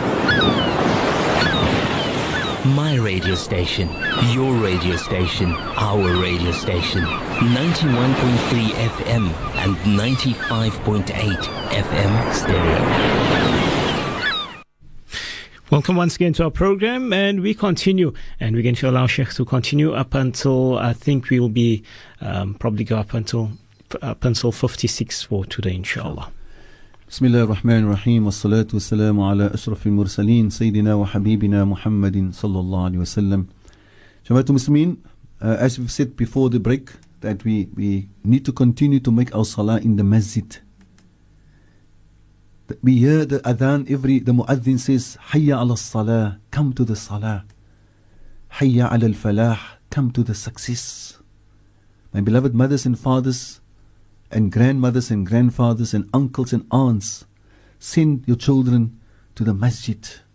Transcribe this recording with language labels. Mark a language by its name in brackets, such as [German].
[English] My radio station, your radio station, our radio station, 91.3 FM and 95.8 FM stereo. Welcome once again to our program, and we continue, and we're going to allow Sheikh to continue up until, I think we will be probably go up until 56 for today, inshallah. [Arabic] بسم الله الرحمن الرحيم والصلاة والسلام على أشرف المرسلين سيدنا وحبيبنا محمد صلى الله عليه وسلم. جماعة المسلمين, [English] as we've said before the break, that we need to continue to make our salah in the masjid. We hear the adhan every, the muadhin says, [Arabic] حيا على الصلاة, [English] come to the salah. [Arabic] حيا على الفلاح, [English] come to the success. My beloved mothers and fathers, and grandmothers and grandfathers and uncles and aunts, send your children to the masjid.